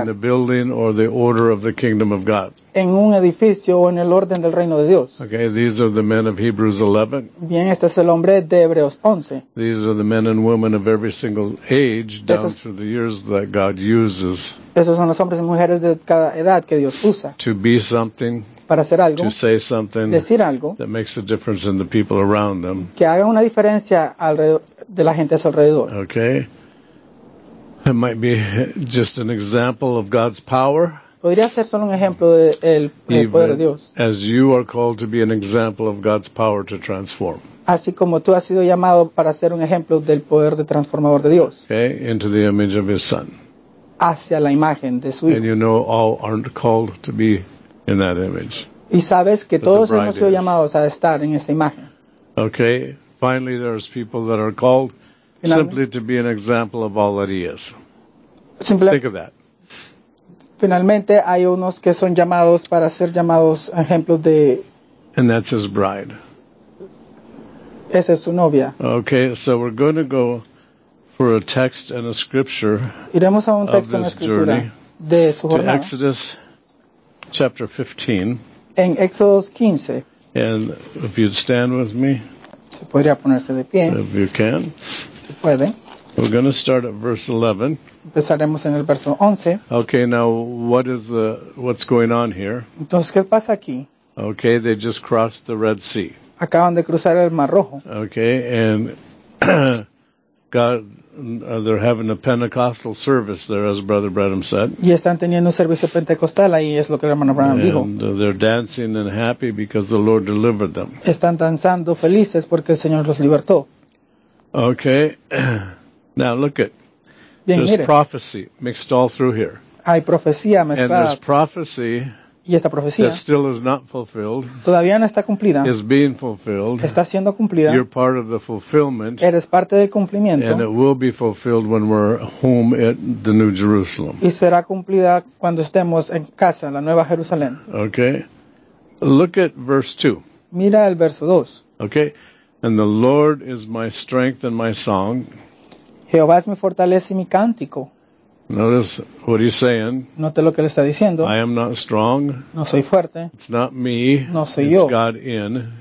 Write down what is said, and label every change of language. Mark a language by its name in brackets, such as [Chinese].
[English] In the building or the order of the kingdom of God. [Spanish] En un edificio o en el orden del reino de Dios. [English] Okay, these are the men of Hebrews 11. [Spanish] Bien, este es el hombre de Hebreos 11. [English] These are the men and women of every single age down through the years that God uses. [Spanish] Esos son los hombres y mujeres de cada edad que Dios usa. [English] To be something. [Spanish] Para hacer algo, [English] to say something, [Spanish] decir algo, [English] that makes a difference in the people around them. [Spanish] Que haga una diferencia alrededor de la gente a su alrededor. [English] Okay. It might be just an example of God's power. [Spanish] Podría ser solo un ejemplo de el poder de Dios. [English] As you are called to be an example of God's power to transform. [Spanish] Así como tú has sido llamado para ser un ejemplo del poder de transformador de Dios. [English] Okay, into the image of his son. [Spanish] Hacia la imagen de su hijo. [English] And you know all aren't called to be in that image. [Spanish] Y sabes que todos hemos sido llamados a estar en esta imagen. [English] Okay, finally there's people that are called simply to be an example of all that he is. Think of that. [Spanish] Finalmente, hay unos que son llamados para ser llamados ejemplos de. [English] And that's his bride. [Spanish] Esa es su novia. [English] Okay, so we're going to go for a text and a scripture. [Spanish] Iremos a un texto y una escritura de su jornada. [English] To Exodus chapter 15. [Spanish] En Éxodos 15. [English] And if you'd stand with me. [Spanish] Se podría ponerse de pie. [English] If you can. [Spanish] Puede. [English] We're going to start at verse 11. [Spanish] Empezaremos en el verso 11. [English] Okay, now what's going on here? [Spanish] Entonces, ¿qué pasa aquí? [English] Okay, they just crossed the Red Sea. [Spanish] Acaban de cruzar el Mar Rojo. [English] Okay, and God, they're having a Pentecostal service there, as Brother Branham said. [Spanish] Y están teniendo un servicio pentecostal ahí, es lo que el hermano Branham dijo. [English] And they're dancing and happy because the Lord delivered them. [Spanish] Están danzando felices porque el Señor los libertó. [English] Okay, now look at, [Spanish] bien, [English] there's [Spanish] mire. [English] Prophecy mixed all through here. [Spanish] Hay profecía mezclada. [English] And there's prophecy [Spanish] y esta profecía [English] that still is not fulfilled. [Spanish] Todavía no está cumplida. [English] Is being fulfilled. [Spanish] Está siendo cumplida. [English] You're part of the fulfillment. [Spanish] Eres parte del cumplimiento. [English] And it will be fulfilled when we're home at the New Jerusalem. [Spanish] Y será cumplida cuando estemos en casa, la Nueva Jerusalén. [English] Okay, look at verse 2. [Spanish] Mira el verso 2. [English] Okay. And the Lord is my strength and my song. [Spanish] Jehová es mi fortaleza y mi cántico. [English] Notice what he's saying. [Spanish] Note lo que le está diciendo. [English] I am not strong. [Spanish] No soy fuerte. [English] It's not me. [Spanish] No soy [English] it's [Spanish] yo. [English] It's God in.